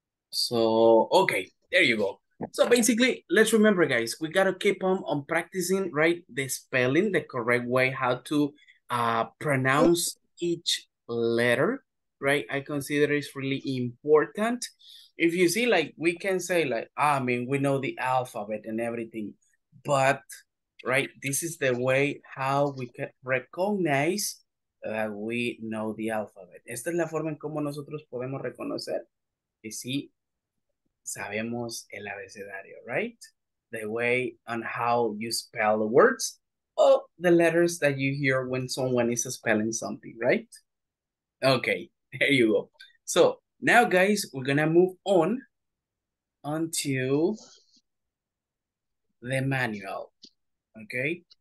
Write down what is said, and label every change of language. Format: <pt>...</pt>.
<en>So, okay, there you go. So basically, let's remember, guys, we got to keep on practicing, right, the spelling, the correct way, how to pronounce each letter, right? I consider it's really important. If you see, like, we can say, like, I mean, we know the alphabet and everything, but, right, this is the way how we can recognize that we know the alphabet.</en> <es>Esta es la forma en cómo nosotros podemos reconocer que sí sabemos el abecedario, right?</es> <en>the way on how you spell the words or the letters that you hear when someone is spelling something, right? Okay, there you go. So now, guys, we're gonna move on to the manual, okay?</en>